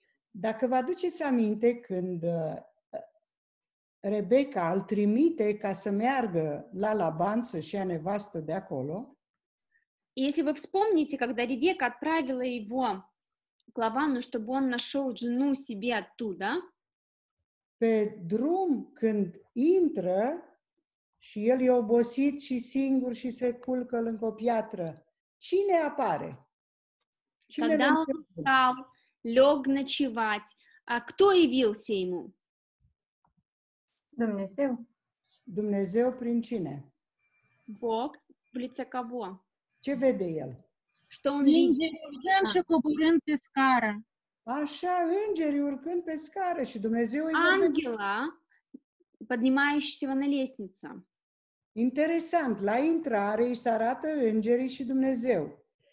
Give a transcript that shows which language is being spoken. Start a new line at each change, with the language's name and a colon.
Romanian: Dacă vă aduceți aminte când Rebeca îl trimite ca să meargă la Laban să-și ia nevastă de acolo,
Russian: И если вы вспомните, когда Ревека отправила его к Лавану, чтобы он нашел жену себе оттуда.
Romanian: Pe drum când intră și el e obosit și singur și se culcă lângă o piatră, cine apare? Cine când l-a întâmplat?
Russian: Лег ночевать. А кто явился ему?
Romanian: Dumnezeu. Dumnezeu prin cine?
Russian: Бог в лице кого?
Romanian: Ce vede el?
Russian: Что он видит?
Romanian: Și coborând pe scară. Așa, îngerii urcând pe scară și Dumnezeu îi vede.
Russian: Ангела, поднимающегося на лестнице.
Romanian: Interesant, la intrare îi se arată îngerii și Dumnezeu.